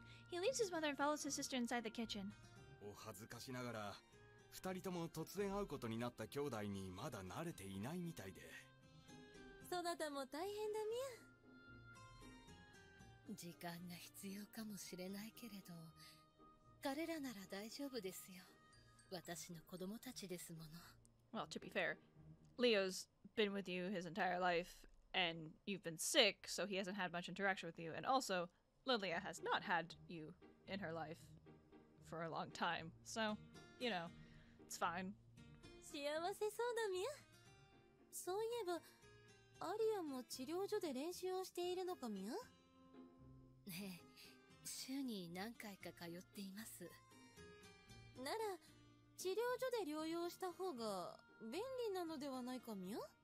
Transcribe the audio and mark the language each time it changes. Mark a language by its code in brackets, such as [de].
[en] He leaves his mother and follows his sister inside the kitchen. [ja] お恥ずかしながら、二人とも突然会うことになった兄弟にまだ慣れていないみたいで。そなたも大変だみゃ。時間が必要かもしれないけれど、彼らなら大丈夫ですよ。私の子供たちですもの。 [en] Well, to be fair, Leo's been with you his entire life, and you've been sick, so he hasn't had much interaction with you. And also, Lilia has not had you in her life for a long time. So, you know, it's fine. [ja] 幸せそうだみゃ。そういえば、アリアも治療所で練習をしているのかみゃ。ねえ、週に何回か通っています。なら治療所で療養した方が便利なのではないかみゃ。